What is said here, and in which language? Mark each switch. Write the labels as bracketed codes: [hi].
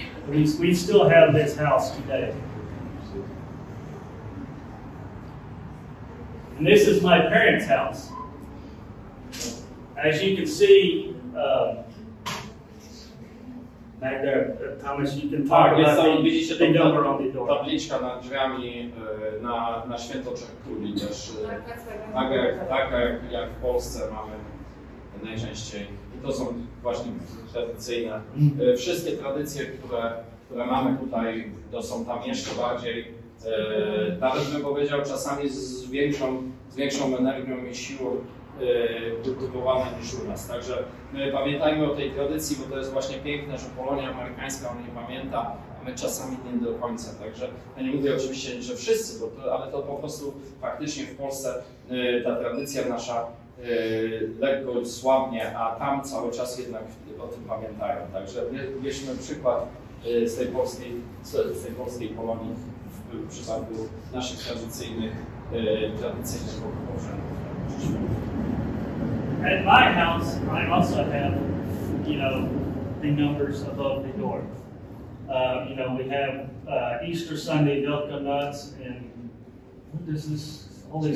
[en] We still have this house today. And this is my parents' house. As you can see, back there, Thomas, you can talk about the number on the door. [pl] Tabliczka nad drzwiami na święto Trzech Króli, też tak jak w Polsce mamy najczęściej. I to są właśnie tradycyjne. Wszystkie tradycje, które mamy tutaj, to są tam jeszcze bardziej, nawet bym powiedział, czasami z większą energią i siłą kultywowane niż u nas. Także my pamiętajmy o tej tradycji, bo to jest właśnie piękne, że Polonia amerykańska o niej pamięta, a my czasami nie do końca. Także ja nie mówię oczywiście, że wszyscy, ale to po prostu faktycznie w Polsce ta tradycja nasza lekko słabnie, a tam cały czas jednak o tym pamiętają. Także bierzmy przykład z tej polskiej kolonii w przypadku naszych tradycyjnych pokoleń. [en] At my house, I also have, you know, the numbers above the door. You know, we have Easter Sunday, Wielka Noc, and what is this Holy